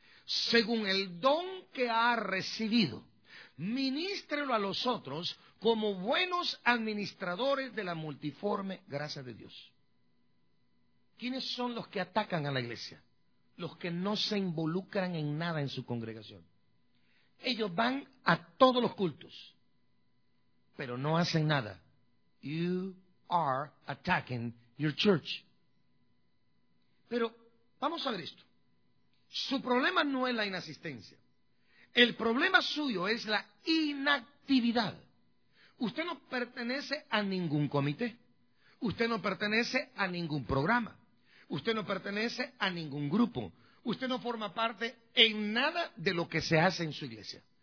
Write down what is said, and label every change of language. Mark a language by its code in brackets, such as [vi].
[es] según el don que ha recibido, minístrelo a los otros como buenos administradores de la multiforme gracia de Dios. ¿Quiénes son los que atacan a la iglesia? Los que no se involucran en nada en su congregación. Ellos van a todos los cultos, pero no hacen nada. [en] You are attacking your church. [es] Pero vamos a ver esto. Su problema no es la inasistencia. El problema suyo es la inactividad. Usted no pertenece a ningún comité. Usted no pertenece a ningún programa. Usted no pertenece a ningún grupo. Usted no forma parte en nada de lo que se hace en su iglesia.